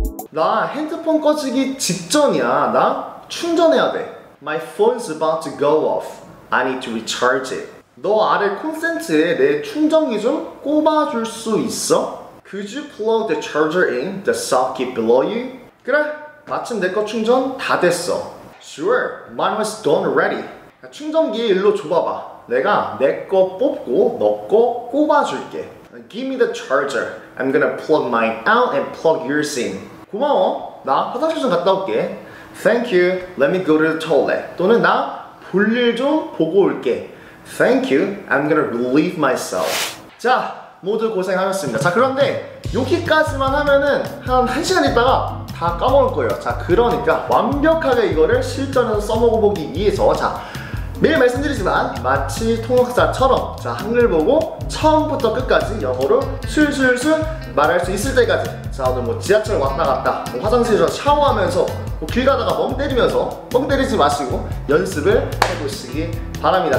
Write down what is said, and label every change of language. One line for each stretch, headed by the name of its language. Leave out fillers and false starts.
Korean: 나 핸드폰 꺼지기 직전이야. 나 충전해야 돼.
English: My phone's about to go off. I need to recharge it.
Korean: 너 아래 콘센트에 내 충전기 좀 꼽아줄 수 있어?
English: Could you plug the charger in the socket below you?
Korean: 그래, 마침 내 거 충전 다 됐어.
English: Sure, mine was done already.
Korean: 야, 충전기 일로 줘봐봐. 내가 내 거 뽑고 너 거 꼽아줄게.
English: Give me the charger. I'm gonna plug mine out and plug yours in.
Korean: 고마워. 나 화장실 좀 갔다 올게.
English: Thank you. Let me go to the toilet.
Korean: 또는 나 볼일 좀 보고 올게.
English: Thank you. I'm gonna relieve myself.
Korean: 자, 모두 고생하셨습니다. 자, 그런데 여기까지만 하면은 한 시간 있다가 다 까먹을 거예요. 자, 그러니까 완벽하게 이거를 실전에서 써먹어보기 위해서 자, 매일 말씀드리지만 마치 통역사처럼 자, 한글 보고 처음부터 끝까지 영어로 술술술 말할 수 있을 때까지 자, 오늘 뭐 지하철 왔다 갔다 뭐 화장실에서 샤워하면서 뭐 길 가다가 멍 때리지 마시고 연습을 해보시기 바랍니다.